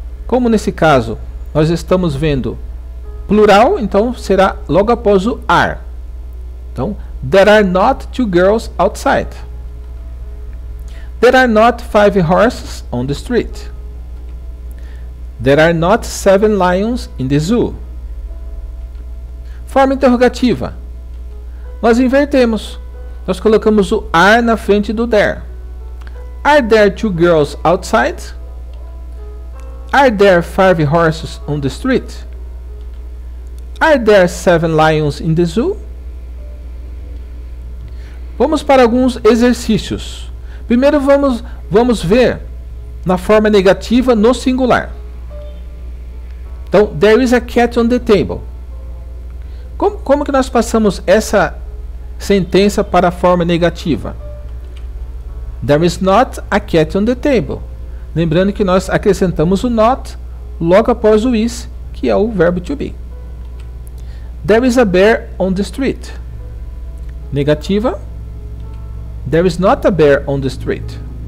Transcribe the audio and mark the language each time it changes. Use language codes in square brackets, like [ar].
[pt] Como nesse caso, nós estamos vendo plural, então será logo após o are. [en] Então, there are not two girls outside. There are not five horses on the street. There are not seven lions in the zoo. [pt] Forma interrogativa. Nós invertemos. Nós colocamos o are na frente do there. [en] Are there two girls outside? Are there five horses on the street? Are there seven lions in the zoo? [pt] Vamos para alguns exercícios. Primeiro vamos ver na forma negativa no singular. [en] Então, there is a cat on the table. [pt] Como que nós passamos essa sentença para a forma negativa? [en] There is not a cat on the table. [pt] Lembrando que nós acrescentamos o not logo após o is, que é o verbo to be. [en] There is a bear on the street. Negativa. There is not a bear on the street.